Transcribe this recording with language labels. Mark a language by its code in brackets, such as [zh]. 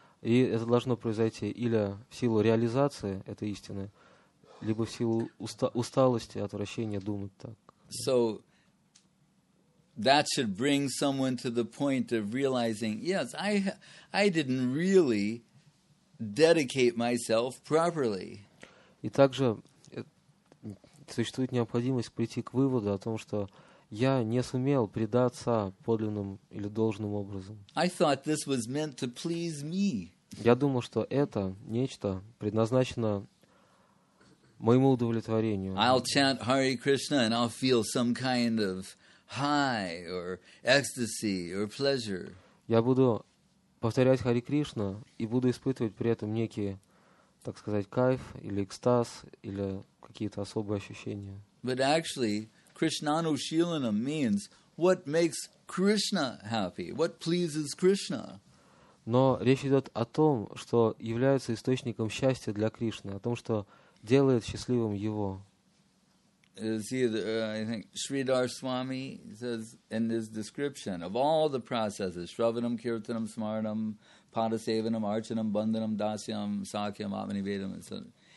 [ru] И это должно произойти или в силу реализации этой истины, либо в силу усталости, отвращения думать так. [en] So that should bring someone to the point of realizing, yes, I didn't really dedicate myself properly. [ru] И также существует необходимость прийти к выводу о том, что я не сумел предаться подлинным или должным образом. [en] I thought this was meant to please me. [ru] Я думал, что это нечто предназначено моему удовлетворению. [en] I'll chant Hare Krishna and I'll feel some kind of high or ecstasy or pleasure. [ru] Я буду повторять Хари Кришна и буду испытывать при этом некие, так сказать, кайф или экстаз или какие-то особые ощущения. [en] But actually, Krishnanushilanam means what makes Krishna happy, what pleases Krishna. [ru] Но речь идет о том, что является источником счастья для Кришны, о том, что делает счастливым его. [en] is either, I think, Sridhar Swami says in his description of all the processes, Shravanam, Kirtanam, Smaranam, Padasevanam, Archanam, Bandhanam, Dasyam, Sakyam, Atmanivedam, and so on.